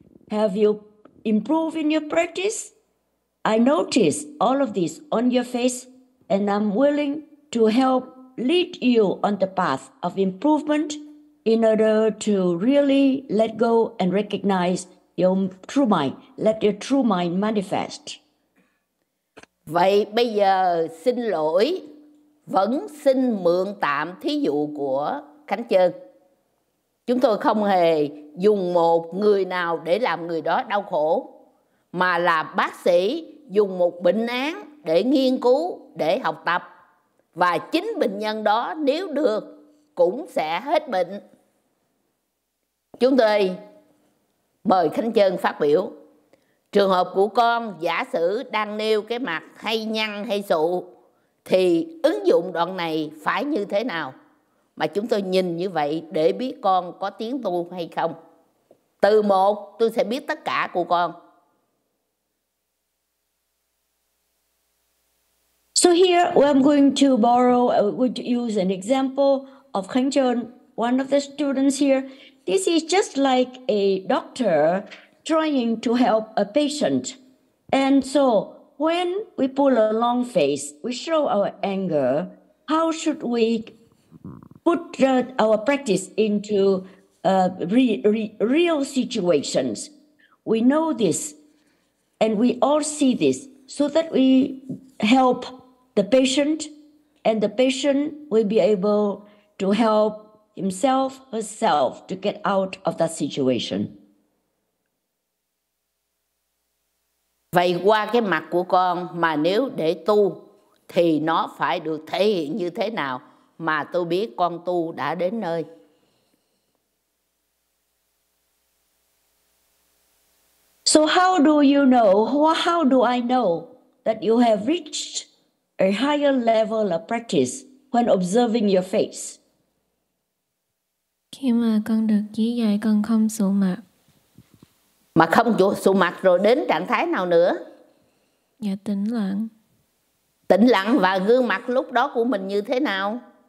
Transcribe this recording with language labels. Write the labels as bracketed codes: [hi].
[en] Have you improved in your practice? I notice all of this on your face, and I'm willing to help lead you on the path of improvement in order to really let go and recognize your true mind. Let your true mind manifest. [vi] Vậy bây giờ xin lỗi, vẫn xin mượn tạm thí dụ của Khánh Trơn. Chúng tôi không hề dùng một người nào để làm người đó đau khổ, mà là bác sĩ dùng một bệnh án để nghiên cứu, để học tập. Và chính bệnh nhân đó nếu được cũng sẽ hết bệnh. Chúng tôi mời Khánh Trơn phát biểu. Trường hợp của con giả sử đang nêu cái mặt hay nhăn hay sụ thì ứng dụng đoạn này phải như thế nào? Mà chúng tôi nhìn như vậy để biết con có tiến tu hay không. Từ một tôi sẽ biết tất cả của con. [en] So here I'm going to borrow, I'm going to use an example of Khánh Trơn, one of the students here. This is just like a doctor trying to help a patient. And so when we pull a long face, we show our anger, how should we put our practice into real situations? We know this and we all see this so that we help the patient and the patient will be able to help himself, herself to get out of that situation. [vi] Vậy qua cái mặt của con mà nếu để tu thì nó phải được thể hiện như thế nào mà tôi biết con tu đã đến nơi. [en] So how do you know, how do I know that you have reached a higher level of practice when observing your face? [vi] Khi mà con được chỉ dạy con không sụ mặt. Mà không chịu sụ mặt rồi đến trạng thái nào nữa? Dạ tĩnh lặng. Tĩnh lặng và gương mặt lúc đó của mình như thế nào?